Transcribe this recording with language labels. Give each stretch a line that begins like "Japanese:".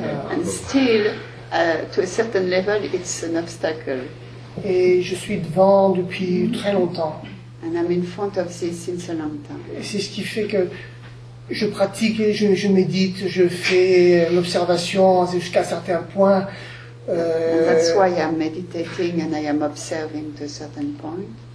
English: And still, to a certain level, it's an obstacle.
French: Et je suis devant depuis très longtemps.
English: And I'm in front of this since a long time.
French: Et c'est ce qui fait que je pratique, je médite, je fais l'observation jusqu'à certains points.
English: That's why I'm meditating and I am observing to a certain point.